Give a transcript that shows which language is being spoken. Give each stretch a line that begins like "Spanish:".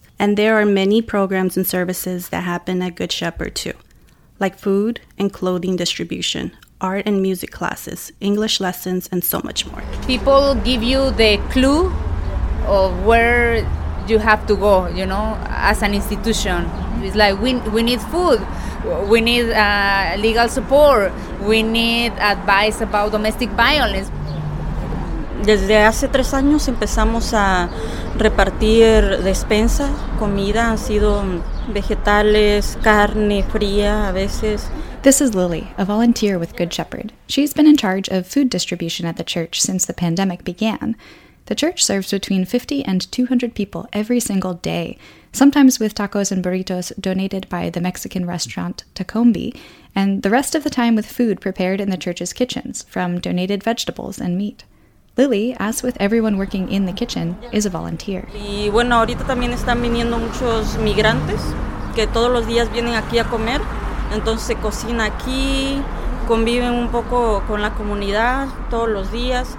English: And there are many programs and services that happen at Good Shepherd too, like food and clothing distribution, art and music classes, English lessons, and so much more. People give you the clue of where you have to go, you know, as an institution. It's like, we need food, we need legal support, we need advice about domestic violence.
Spanish: Desde hace tres años empezamos a repartir despensa, comida, han sido vegetales, carne fría a veces.
English: This is Lily, a volunteer with Good Shepherd. She's been in charge of food distribution at the church since the pandemic began. The church serves between 50 and 200 people every single day, sometimes with tacos and burritos donated by the Mexican restaurant Tacombi, and the rest of the time with food prepared in the church's kitchens, from donated vegetables and meat. Lily, as with everyone working in the kitchen, is a volunteer.
Spanish: Y bueno, ahorita también están viniendo muchos migrantes que todos los días vienen aquí a comer. Entonces se cocina aquí, conviven un poco con la comunidad todos los días.